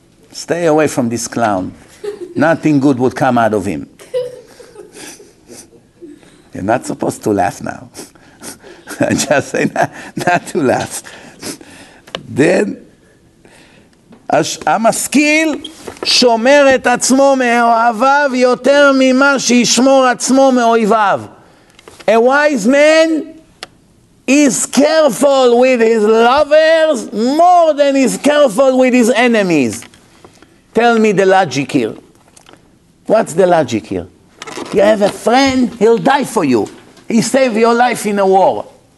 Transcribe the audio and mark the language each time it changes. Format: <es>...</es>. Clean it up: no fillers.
<en>Stay away from this clown. Nothing good would come out of him. You're not supposed to laugh now. I just say not to laugh. Then,</en> <he>המשכיל שומר את עצמו מאוהביו יותר ממה שישמור עצמו מאויביו.</he> <en>A wise man is careful with his lovers more than he's careful with his enemies. Tell me the logic here. What's the logic here? You have a friend, he'll die for you. He saved your life in a war.</en>